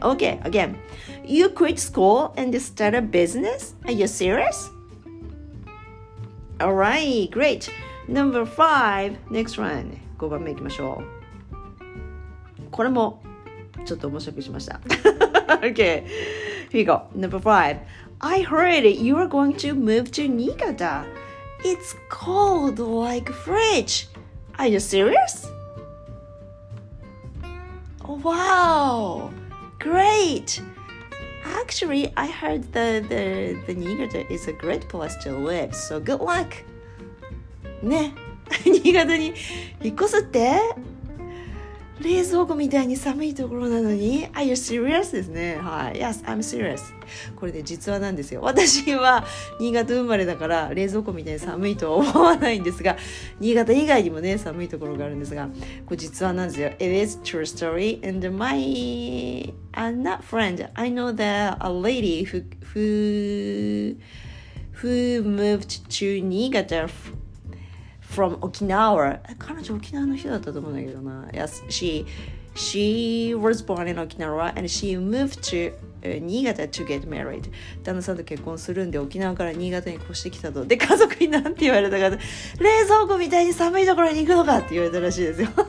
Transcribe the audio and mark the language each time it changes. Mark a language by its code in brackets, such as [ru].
[en] Okay, again. You quit school and start a business? Are you serious? Alright, great. Number five. Next one. [ja] 5番目いきましょう。これもちょっと面白くしました。 [en] okay, here you go. Number five. I heard you are going to move to Niigata. It's cold like fridge. Are you serious? Wow, great. Actually, I heard the Niigata is a great place to live. So good luck. [ja] ね、Niigataに引っ越すって。冷蔵庫みたいに寒いところなのに [en] Are you serious? [ja] ですね、はい、 [en] Yes, I'm serious. [ja] これね、実話なんですよ。私は新潟生まれだから冷蔵庫みたいに寒いとは思わないんですが、新潟以外にもね、寒いところがあるんですが、これ実話なんですよ。 [en] It is true story. And my... I'm not friend. I know that a lady who moved to Niigata from Okinawa. [ja] 彼女沖縄の人だったと思うんだけどな。 [en] Yes, she was born in Okinawa and she moved to Niigata to get married. [ja] 旦那さんと結婚するんで沖縄から新潟に越してきたと。で、家族になんて言われたか、冷蔵庫みたいに寒いところに行くのかって言われたらしいですよ。